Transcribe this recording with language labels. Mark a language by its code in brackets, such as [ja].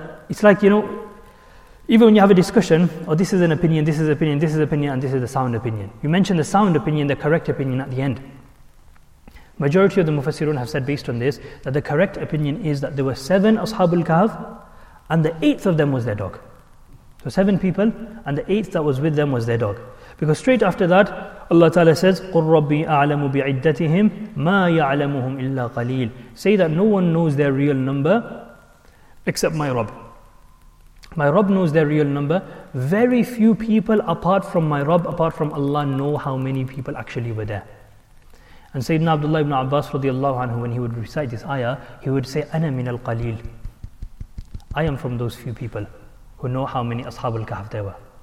[en] It's like, you know, even when you have a discussion, or this is an opinion, this is an opinion, this is an opinion, and this is the sound opinion. You mention the sound opinion, the correct opinion at the end. Majority of the Mufassirun have said based on this, that the correct opinion is that there were seven Ashabul Kahf, and the eighth of them was their dog. So seven people, and the eighth that was with them was their dog. Because straight after that, Allah Ta'ala says, [ar] قُلْ رَبِّي أَعْلَمُ بِعِدَّتِهِمْ مَا يَعْلَمُهُمْ إِلَّا قَلِيلٌ. [en] Say that no one knows their real number except my Rabb. My Rabb knows their real number. Very few people apart from my Rabb, apart from Allah, know how many people actually were there. And Sayyidina Abdullah ibn Abbas radiallahu anhu, when he would recite this ayah, he would say, [ar] أَنَا مِنَ الْقَلِيلِ. [en] I am from those few people who know how many Ashabul Kahf there were.